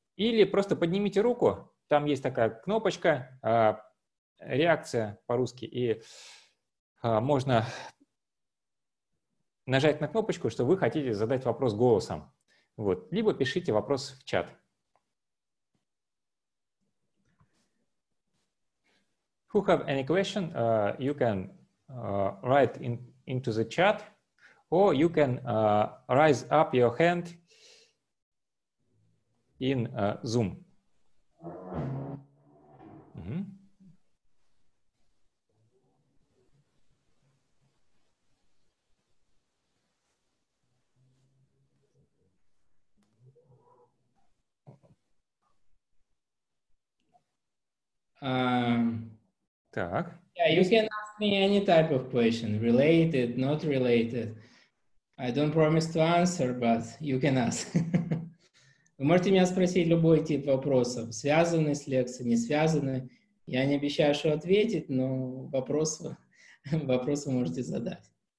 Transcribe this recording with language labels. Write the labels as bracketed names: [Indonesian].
[Russian] Или просто поднимите руку. Там есть такая кнопочка, реакция по-русски. И можно нажать на кнопочку, что вы хотите задать вопрос голосом. Вот. Либо пишите вопрос в чат. [English] Who have any question, you can write into the chat, or you can raise up your hand in Zoom. [Russian] Mm-hmm. Так. [English] Yeah, you can ask me any type of question, related, not related. I don't promise to answer, but you can ask. [Russian] Вы можете меня спросить любой тип вопросов, связанный с лекцией, не связанный. Я не обещаю, что ответить, но вопрос, вопрос вы можете задать.